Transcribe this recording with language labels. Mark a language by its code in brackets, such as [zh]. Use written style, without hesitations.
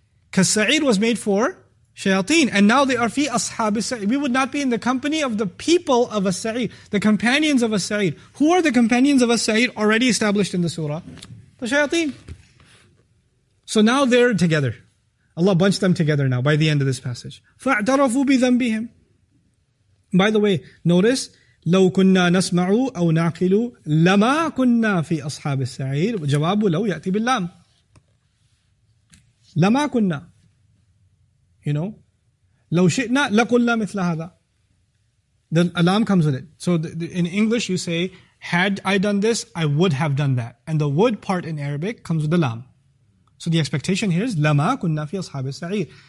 [en] Because Sa'ir was made for shayateen. And now they are fi ashab as-sa'ir. We would not be in the company of the people of as-sa'ir. The companions of as-sa'ir. Who are the companions of as-sa'ir already established in the surah? The shayateen. So now they're together. Allah bunched them together now by the end of this passage. [ar] فَاعْتَرَفُوا بِذَنْبِهِمْ. [en] By the way, notice, [ar] لَوْ كُنَّا نَسْمَعُوا أَوْ نَعْقِلُوا لَمَا كُنَّا فِي أَصْحَابِ السَّعِيرِ وَجَوَابُ لَوْ يَأْتِي بِاللَّامِ. لَمَا كُنَّا. [en] You know? [ar] لَوْ شِئْنَا لَقُلَّا مِثْلَ هَذَا. [en] The alam comes with it. So in English you say, had I done this, I would have done that. And the would part in Arabic comes with the lam. So the expectation here is, [ar] لَمَا كُنَّا فِي أَصْحَابِ السَّعِيرِ.